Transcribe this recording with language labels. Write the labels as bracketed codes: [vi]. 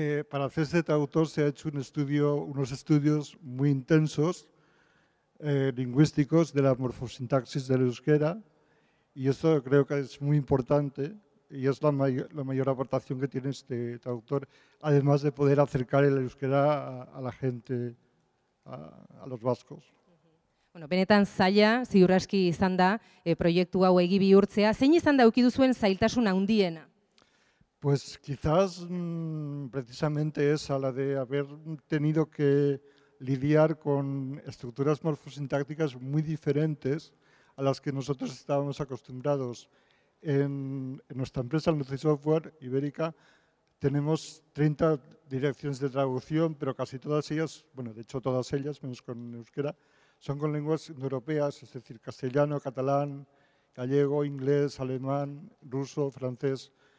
[es] Para hacer este traductor se ha hecho unos estudios muy intensos lingüísticos de la morfosintaxis del euskera, y esto creo que es muy importante y es la mayor aportación que tiene este traductor, además de poder acercar el euskera a la gente, a los vascos. [eu] Bueno, benetan zaila, ziurraski izan da, proiektu hau egi bihurtzea. Zein izan da uki duzuen zailtasun handiena? [es] Pues quizás precisamente esa, la de haber tenido que lidiar con estructuras morfosintácticas muy diferentes a las que nosotros estábamos acostumbrados. En nuestra empresa, Nutri Software Ibérica, tenemos 30 direcciones de traducción, pero casi todas ellas, bueno, de hecho todas ellas, menos con euskera, son con lenguas indoeuropeas, es decir, castellano, catalán, gallego, inglés, alemán, ruso, francés.